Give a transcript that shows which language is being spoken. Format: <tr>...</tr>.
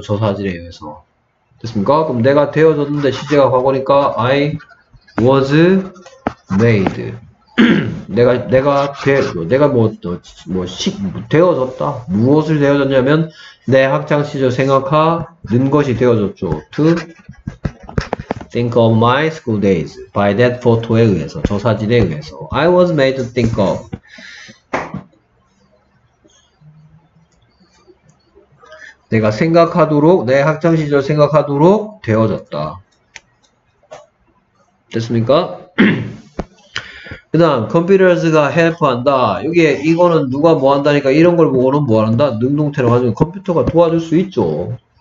<ko>저 사진에 의해서. 됐습니까? 그럼 내가 되어졌는데 시제가 과거니까</ko> <en>I was made.</en> <ko>내가 뭐 되어졌다. 무엇을 되어졌냐면 내 학창 시절 생각하는 것이 되어졌죠.</ko> <en>To think of my school days by that photo</en> <ko>에 의해서 저 사진에 의해서</ko> <en>I was made to think of.</en> <ko>내가 생각하도록 내 학창 시절 생각하도록 되어졌다. 됐습니까? 그 다음, computers가 help 한다. 여기에, 이거는 누가 뭐 한다니까, 이런 걸 보고는 뭐 한다? 능동태로 가지고 컴퓨터가 도와줄 수 있죠.</ko>